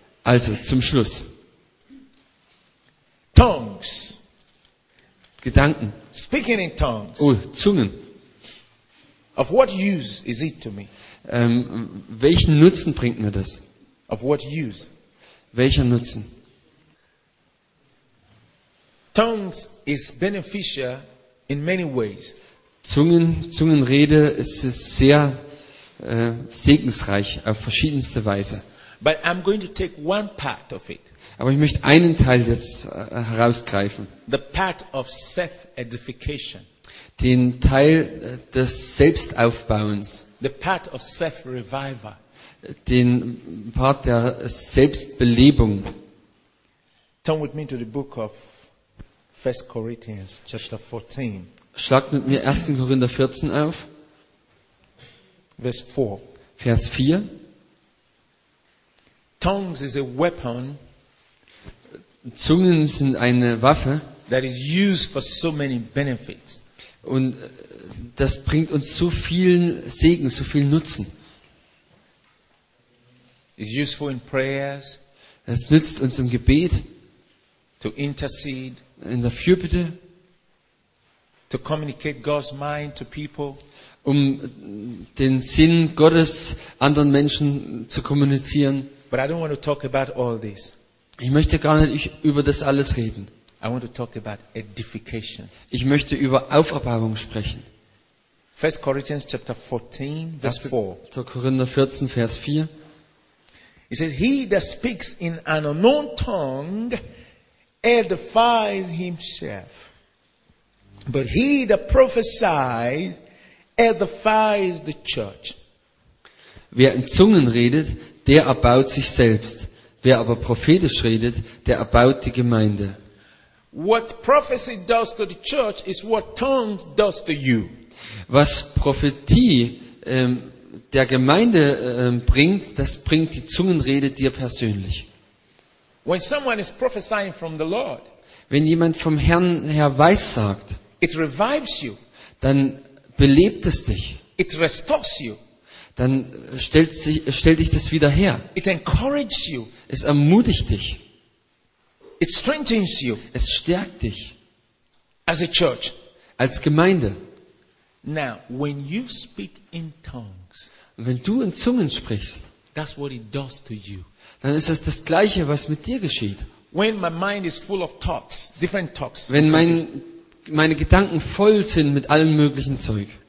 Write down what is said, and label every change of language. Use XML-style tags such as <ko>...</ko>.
<de>Also zum Schluss.</de> <en>Tongues.</en> <de>Gedanken.</de> <en>Speaking in tongues.</en> <de>Oh, Zungen.</de> <en>Of what use is it to me?</en> <de>Welchen Nutzen bringt mir das?</de> <en>Of what use?</en> <de>Welcher Nutzen?</de> <en>Tongues is beneficial in many ways.</en> <de>Zungenrede ist sehr segensreich auf verschiedenste Weise.</de> <en>But I'm going to take one part of it.</en> <de>Aber ich möchte einen Teil jetzt herausgreifen.</de> <en>The part of self-edification.</en> <de>Den Teil des Selbstaufbauens.</de> <en>The part of self-revival.</en> <de>Den Part der Selbstbelebung.</de> <en>Turn with me to the book of 1 Corinthians, chapter 14.</en> <de>Schlagt mit mir 1. Korinther 14 auf. Vers 4. Vers 4.</de> <en>Tongues is a weapon.</en> <de>Zungen sind eine Waffe.</de> <en>That is used for so many benefits.</en> <de>Und das bringt uns so viel Segen, so viel Nutzen.</de> <en>It's useful in prayers.</en> <de>Es nützt uns im Gebet.</de> <en>To intercede.</en> <de>In der Fürbitte.</de> <en>To communicate God's mind to people.</en> <de>Um den Sinn Gottes anderen Menschen zu kommunizieren.</de> <en>But I don't want to talk about all this.</en> <de>Ich möchte gar nicht über das alles reden.</de> <en>I want to talk about edification.</en> <de>Ich möchte über Auferbauung sprechen.</de> <en>1 Corinthians chapter 14, verse 4.</en> <de>Zu Korinther 14, Vers 4.</de> <en>He says, he that speaks in an unknown tongue edifies himself. But he that prophesies edifies the church.</en> <de>Wer in Zungen redet, der erbaut sich selbst. Wer aber prophetisch redet, der erbaut die Gemeinde.</de> <en>What prophecy does to the church is what tongues does to you.</en> <de>Was Prophetie der Gemeinde bringt, das bringt die Zungenrede dir persönlich.</de> <en>When someone is prophesying from the Lord,</en> <de>wenn jemand vom Herrn her weissagt,</de> <en>it revives you.</en> <de>Dann belebt es dich.</de> <en>It restores you.</en> <de>Dann stellt dich das wieder her.</de> <en>It encourages you.</en> <de>Es ermutigt dich.</de> <en>It strengthens you.</en> <de>Es stärkt dich.</de> <en>As a church.</en> <de>Als Gemeinde.</de> <en>Now, when you speak in tongues,</en> <de>wenn du in Zungen sprichst,</de> <en>that's what it does to you.</en> <de>Dann ist es das Gleiche, was mit dir geschieht.</de> <en>When my mind is full of talks, different talks.</en> <de>Wenn meine Gedanken voll sind mit allem möglichen Zeug.</de>